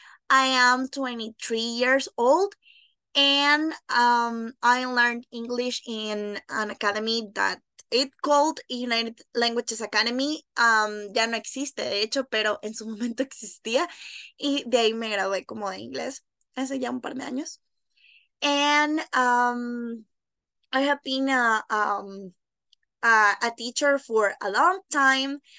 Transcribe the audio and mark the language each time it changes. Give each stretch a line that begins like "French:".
English: I am 23 years old and I learned English in an academy that It called United Languages Academy.
Spanish: Ya no existe, de hecho, pero en su momento existía. Y de ahí me gradué como de inglés hace ya un par de años.
English: And I have been a teacher for a long time.